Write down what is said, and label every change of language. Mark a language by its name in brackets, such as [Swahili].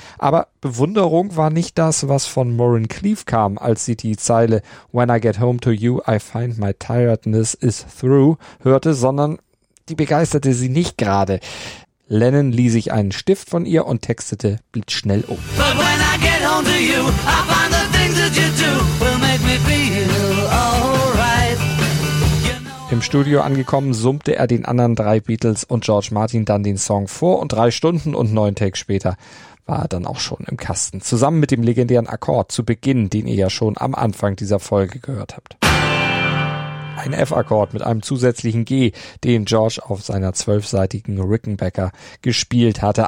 [German] Aber Bewunderung war nicht das, was von Maureen Cleave kam, als sie die Zeile » [English] When I get home to you, I find my tiredness is through« [German] hörte, sondern die begeisterte sie nicht gerade. Lennon lieh sich einen Stift von ihr und textete blitzschnell um. [English] But when I get home to you, I find the things that you do will make me feel alright. You know. [German] Im Studio angekommen, summte er den anderen drei Beatles und George Martin dann den Song vor und 3 Stunden und 9 Takes später war er dann auch schon im Kasten. Zusammen mit dem legendären Akkord zu Beginn, den ihr ja schon am Anfang dieser Folge gehört habt. Ein F-Akkord mit einem zusätzlichen G, den George auf seiner 12-seitigen Rickenbacker gespielt hatte.